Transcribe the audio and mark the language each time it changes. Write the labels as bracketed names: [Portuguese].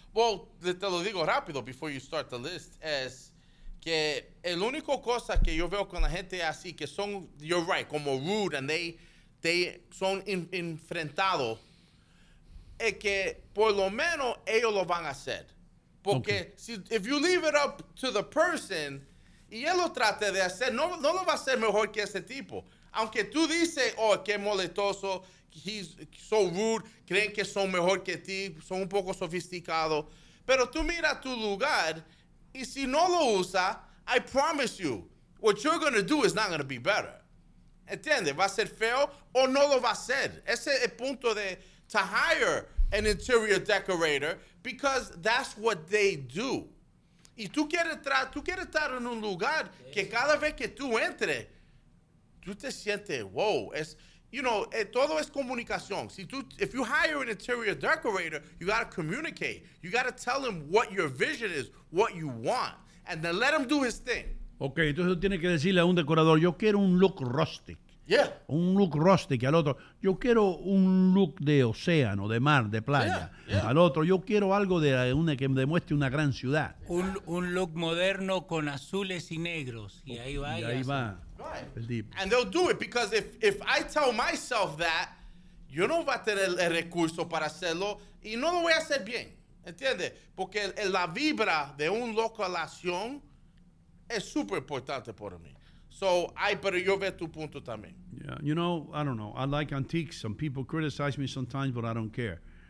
[Spanish] Well, te lo digo rápido before you start the list, es que el único cosa que yo veo con la gente así, que son, you're right, como rude, and they son enfrentados, es que por lo menos ellos lo van a hacer. Porque okay. Si, if you leave it up to the person, y él lo trate de hacer, no lo va a hacer mejor que ese tipo. Aunque tú dices, oh, qué molestoso, he's so rude, creen que son mejor que ti, son un poco sofisticados. [English] Pero tú mira tu lugar, y si no lo usa, I promise you, what you're going to do is not going to be better. [Spanish] ¿Entiendes? ¿Va a ser feo o no lo va a ser? Ese es el punto de to hire an interior decorator because that's what they do. Y tú quieres estar en un lugar que cada vez que tú entres, tú te sientes, wow. Es, you know, todo es comunicación. [English] Si tú, if you hire an interior decorator, you got to communicate. You got to tell him what your vision is, what you want. And then let him do his thing. [Spanish] Ok, entonces tiene que decirle a un decorador, yo quiero un look rustic. [English] Yeah. [Spanish] Un look rustic. Al otro, yo quiero un look de océano, de mar, de playa. [English] Yeah, yeah. [Spanish] Al otro, yo quiero algo de una, que demuestre una gran ciudad. Un look moderno con azules y negros. Y okay, ahí va. Right. And they'll do it because if I tell myself that, yo no va a tener el recurso para hacerlo y no lo voy a hacer bien. ¿Entiendes? Porque la vibra de un localación es súper importante para mí. So, pero yo veo tu punto también. [English] Yeah, you know, I don't know. I like antiques. Some people criticize me sometimes, but I don't care.